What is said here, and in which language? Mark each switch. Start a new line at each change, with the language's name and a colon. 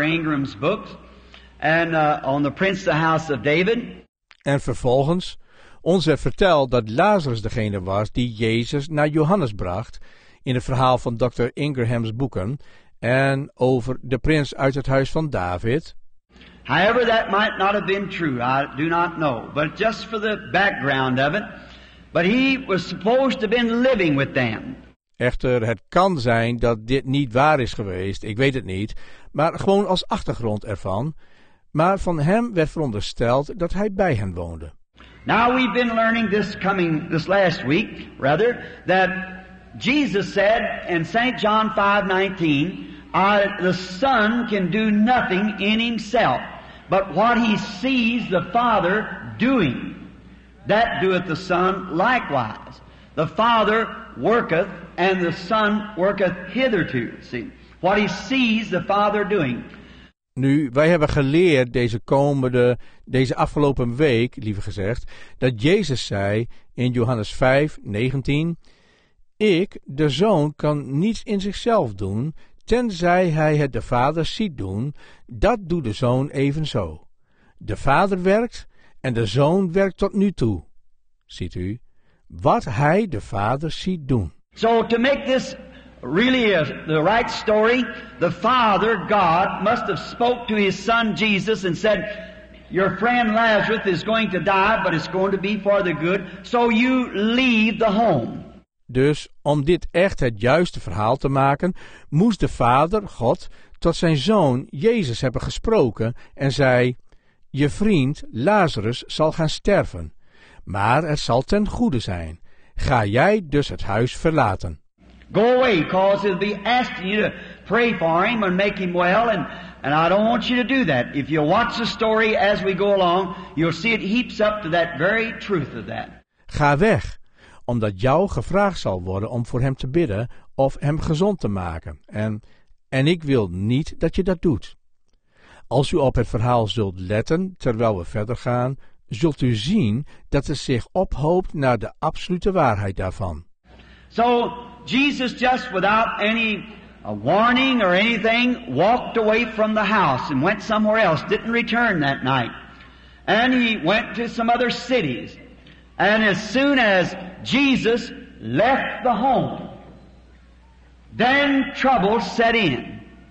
English: Ingram's book and on the Prince of the House of David.
Dutch: En vervolgens, ons werd verteld dat Lazarus degene was die Jezus naar Johannes bracht in het verhaal van Dr. Ingraham's boeken en over de prins uit het huis van David.
English: However, that might not have been true, I do not know, but just for the background of it, but he was supposed to have been living with them.
Dutch: Echter, het kan zijn dat dit niet waar is geweest, ik weet het niet, maar gewoon als achtergrond ervan. Maar van hem werd verondersteld dat hij bij hen woonde.
English: Now we've been learning this last week, rather, that Jesus said in St. John 5:19, The Son can do nothing in Himself, but what He sees the Father doing, that doeth the Son likewise. The Father worketh, and the Son worketh hitherto. See, what He sees the Father doing.
Dutch: Nu, wij hebben geleerd deze afgelopen week, liever gezegd, dat Jezus zei in Johannes 5, 19, ik, de Zoon, kan niets in zichzelf doen, tenzij Hij het de Vader ziet doen, dat doet de Zoon evenzo. De Vader werkt en de Zoon werkt tot nu toe. Ziet u? Wat Hij de Vader ziet doen.
English: So to make this really is the right story, the Father, God, must have spoke to His Son Jesus and said, your friend Lazarus is going to die, but it's going to be for the good, so you leave the home.
Dutch: Dus om dit echt het juiste verhaal te maken, moest de Vader, God, tot zijn Zoon Jezus hebben gesproken en zei, je vriend Lazarus zal gaan sterven, maar het zal ten goede zijn. Ga jij dus het huis verlaten.
English: Go away, because he'll be asking you to pray for him and make him well, and I don't want you to do that. If you watch the story as we go along, you'll see it heaps up to that very truth of that.
Dutch: Ga weg, omdat jou gevraagd zal worden om voor hem te bidden of hem gezond te maken. En ik wil niet dat je dat doet. Als u op het verhaal zult letten terwijl we verder gaan, zult u zien dat het zich ophoopt naar de absolute waarheid daarvan.
English: So, Jesus just without any warning or anything walked away from the house and went somewhere else, didn't return that night. And he went to some other cities. And as soon as Jesus left the home, then trouble set in.